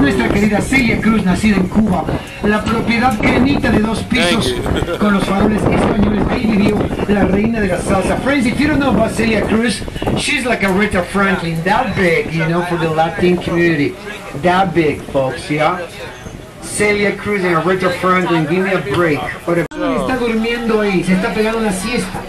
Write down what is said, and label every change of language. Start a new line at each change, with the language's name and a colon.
Spanish: Querida Celia Cruz, nacida en Cuba, la propiedad cremita de dos pisos con los faroles españoles. Ahí vivió la reina de la salsa.
English: Friends, if you don't know about Celia Cruz, she's like a Rita Franklin, that big, you know, for the Latin community. That big, folks, yeah? Celia Cruz and a Rita Franklin, give me a break.
Spanish: Está durmiendo ahí, se está pegando una siesta.